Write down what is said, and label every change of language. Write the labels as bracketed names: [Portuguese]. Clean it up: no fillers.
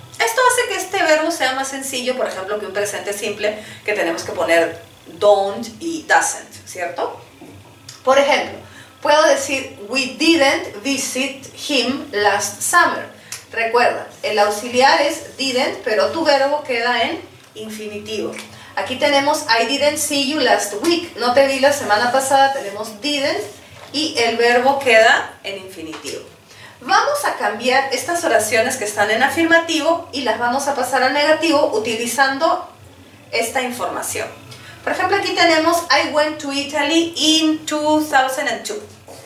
[Spanish] Esto hace que este verbo sea más sencillo, por ejemplo, que un presente simple que tenemos que poner don't y doesn't, ¿cierto? Por ejemplo, puedo decir, [English] we didn't visit him last summer. [Spanish] Recuerda, el auxiliar es didn't, pero tu verbo queda en infinitivo. Aquí tenemos, [English] I didn't see you last week. [Spanish] No te vi la semana pasada, tenemos didn't y el verbo queda en infinitivo. Vamos a cambiar estas oraciones que están en afirmativo y las vamos a pasar a negativo utilizando esta información. Por ejemplo, aquí tenemos [English] I went to Italy in 2002.